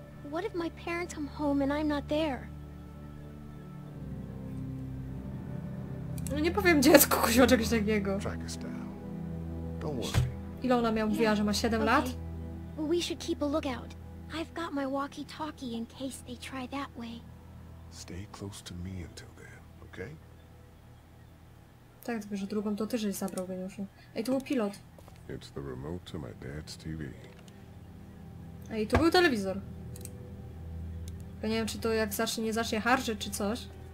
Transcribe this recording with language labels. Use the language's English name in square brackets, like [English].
[English] What if my parents come home and I'm not there? [Polish] No nie powiem dziecku, kuźwa czegoś takiego. [English] Track us down. Don't worry. [Polish] Ile ona miała, mówiła, że ma 7 lat? [English] Well, we should keep a lookout. I've got my walkie-talkie in case they try that way. Stay close to me until then, okay? [Polish] Tak, tylko że drugą to ty żeś zabrał, Geniuszu. Ej, to był pilot. [English] It's the remote to my dad's TV. [Polish] A i tu był telewizor. Ja nie wiem, czy to jak zacznie, nie zacznie harżyć, czy coś.